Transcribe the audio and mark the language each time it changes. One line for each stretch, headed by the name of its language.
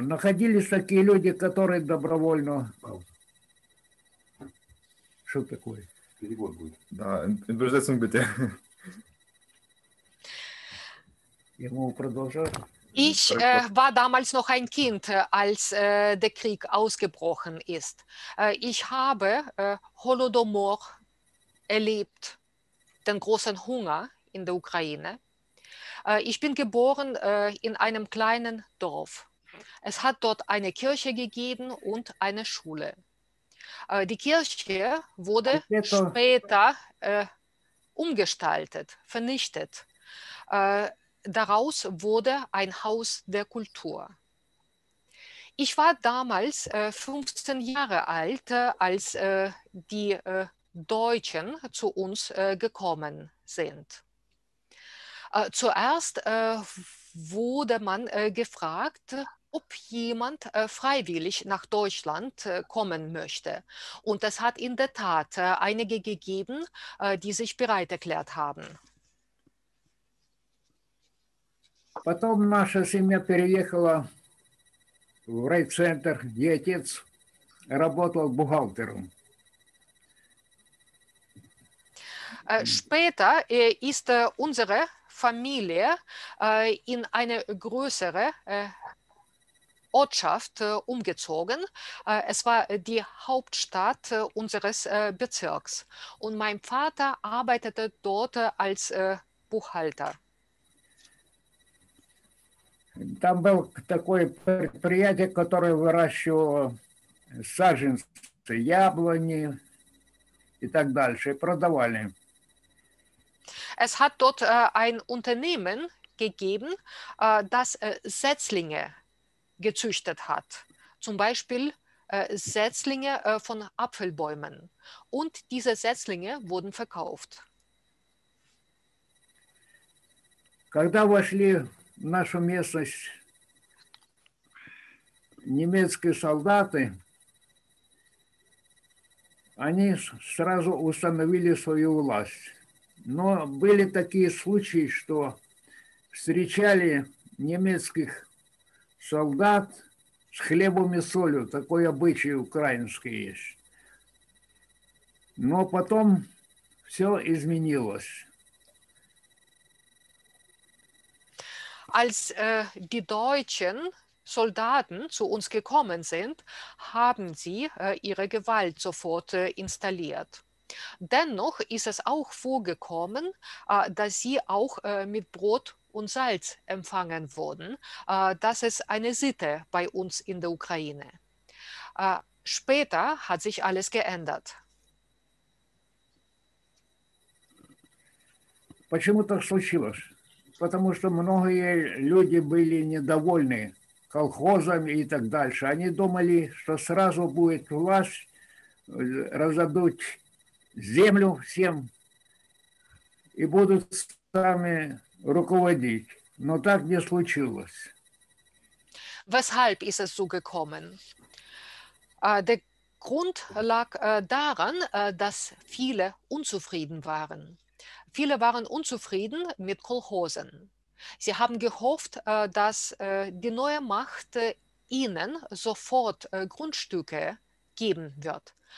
Russian: Находились такие люди, которые добровольно... Что такое? Перевод будет. Да, интерпретация будет. Я могу продолжать.
German: Ich war damals noch ein Kind, als der Krieg ausgebrochen ist. Ich habe Holodomor erlebt, den großen Hunger in der Ukraine. Ich bin geboren in einem kleinen Dorf. Es hat dort eine Kirche gegeben und eine Schule. Die Kirche wurde später umgestaltet, vernichtet. daraus wurde ein Haus der Kultur. Ich war damals 15 Jahre alt, als die Deutschen zu uns gekommen sind. Zuerst wurde man gefragt, ob jemand freiwillig nach Deutschland kommen möchte. Und es hat in der Tat einige gegeben, die sich bereit erklärt haben.
Russian: Потом наша семья переехала в райцентр, где отец работал бухгалтером.
German: Später ist unsere Familie in eine größere Ortschaft umgezogen. Es war die Hauptstadt unseres Bezirks. Und mein Vater arbeitete dort als Buchhalter.
Russian: Там был такое предприятие, которое выращивало саженцы, яблони и так дальше, продавали.
German: Es hat dort ein Unternehmen gegeben, das Setzlinge gezüchtet hat. Zum Beispiel Setzlinge von Apfelbäumen. Und diese Setzlinge wurden verkauft.
Russian: Когда вошли в нашу местность немецкие солдаты, они сразу установили свою власть. Но были такие случаи, что встречали немецких солдат с хлебом и солью. Такой обычай украинский есть. Но потом все изменилось.
German: Als die deutschen Soldaten zu uns gekommen sind, haben sie ihre Gewalt sofort installiert. Dennoch ist es auch vorgekommen, dass sie auch mit Brot und Salz empfangen wurden. Das ist eine Sitte bei uns in der Ukraine. Später hat sich alles geändert.
Russian: Почему так случилось? Потому что многие люди были недовольны колхозами и так дальше. Они думали, что сразу будет власть, раздадут землю всем и будут сами руководить. Но так не случилось.
German: Weshalb ist es so gekommen? Der Grund lag daran, dass viele unzufrieden waren. Viele waren unzufrieden mit Kolchosen. Sie haben gehofft, dass die neue Macht ihnen sofort Grundstücke geben wird.